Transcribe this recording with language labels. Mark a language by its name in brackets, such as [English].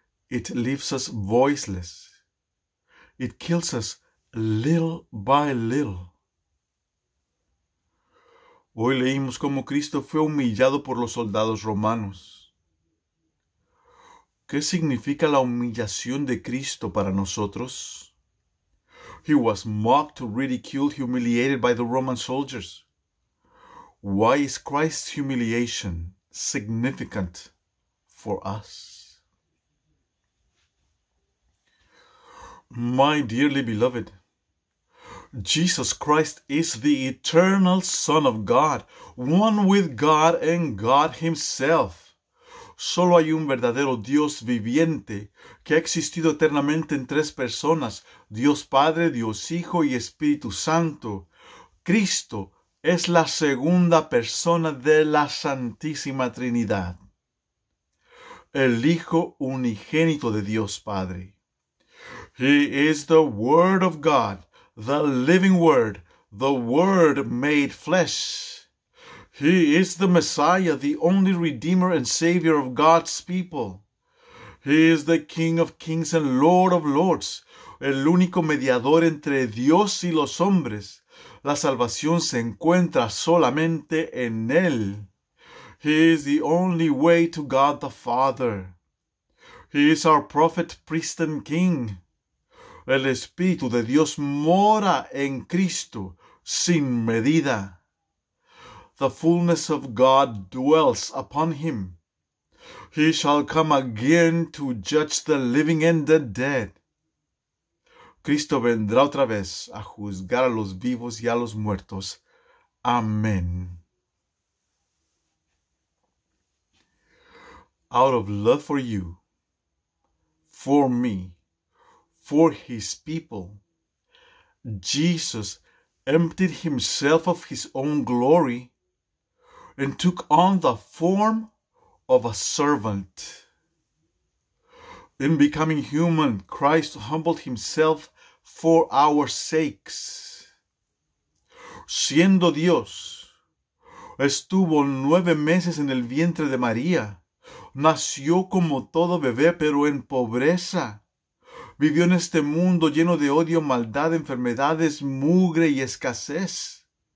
[English] It leaves us voiceless. It kills us little by little. [Spanish] Hoy leímos cómo Cristo fue humillado por los soldados romanos. ¿Qué significa la humillación de Cristo para nosotros? [English] He was mocked, ridiculed, humiliated by the Roman soldiers. Why is Christ's humiliation significant for us? My dearly beloved, Jesus Christ is the eternal Son of God, one with God and God Himself. [Spanish] Solo hay un verdadero Dios viviente que ha existido eternamente en tres personas, Dios Padre, Dios Hijo y Espíritu Santo. Cristo es la segunda persona de la Santísima Trinidad, el Hijo unigénito de Dios Padre. [English] He is the Word of God, the living Word, the Word made flesh. He is the Messiah, the only Redeemer and Savior of God's people. He is the King of Kings and Lord of Lords, [Spanish] el único mediador entre Dios y los hombres. La salvación se encuentra solamente en Él. [English] He is the only way to God the Father. He is our prophet, priest, and king. [Spanish] El Espíritu de Dios mora en Cristo sin medida. [English] The fullness of God dwells upon Him. He shall come again to judge the living and the dead. [Spanish] Cristo vendrá otra vez a juzgar a los vivos y a los muertos. Amén. [English] Out of love for you, for me, for His people, Jesus emptied Himself of His own glory and took on the form of a servant. In becoming human, Christ humbled Himself for our sakes. [Spanish] Siendo Dios, estuvo 9 meses en el vientre de María. Nació como todo bebé, pero en pobreza. Vivió en este mundo lleno de odio, maldad, enfermedades, mugre y escasez.